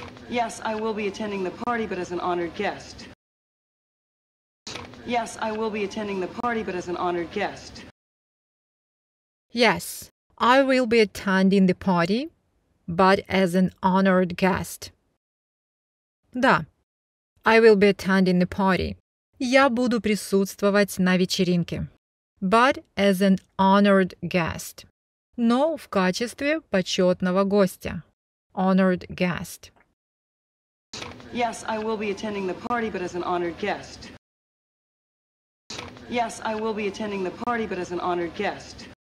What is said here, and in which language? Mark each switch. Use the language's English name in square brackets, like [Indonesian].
[English] Yes, I will be attending the party, but as an honored guest. Yes, I will be attending the party, but as an honored guest. Yes, I will be attending the party, but as an honored guest. [Russian] Да, [English] I will be attending the party. [Russian] Я буду присутствовать на вечеринке. [English] But as an honored guest. [Russian] Но в качестве почетного гостя. [English] Honored guest. Yes, I will be attending the party, but as an honored guest. Yes, I will be attending the party, but as an honored guest.